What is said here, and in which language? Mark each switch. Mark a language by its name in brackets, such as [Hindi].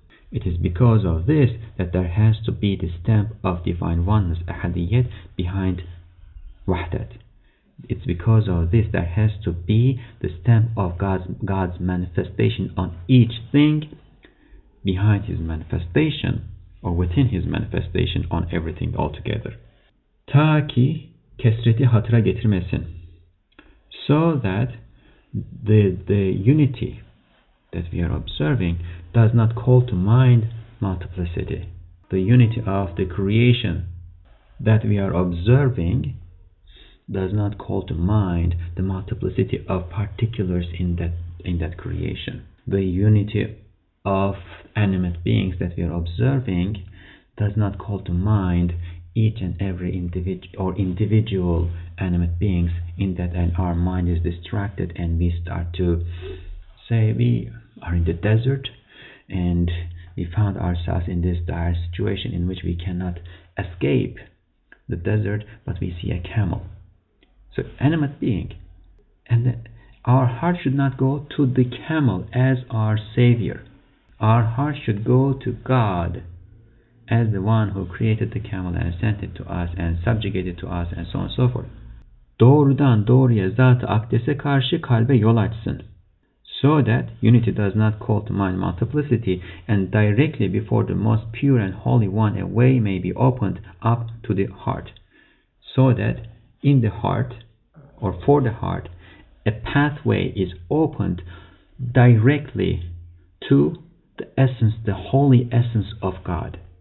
[English] It is because of this that there has to be the stamp of divine oneness, ahadiyat, behind wahdat. It's because of this there has to be the stamp of God's manifestation on each thing, behind his manifestation, or within his manifestation, on everything altogether. [Turkish] Ta ki kesreti hatıra getirmesin. [English] So that the unity that we are observing does not call to mind multiplicity. The unity of the creation that we are observing does not call to mind the multiplicity of particulars in that creation. The unity of animate beings that we are observing does not call to mind each and every individual animate beings in that, and our mind is distracted and we start to say we are in the desert and we found ourselves in this dire situation in which we cannot escape the desert, but we see a camel. So animate being, And our heart should not go to the camel as our savior. Our heart should go to God as the one who created the camel and sent it to us and subjugated to us and so on and so forth. [Turkish] Doğrudan doğruya zat-ı akdese karşı kalbe yol açsın. [English] So that unity does not call to mind multiplicity, and directly before the most pure and holy one a way may be opened up to the heart. So that in the heart, or for the heart, a pathway is opened directly to the essence, the holy essence of God.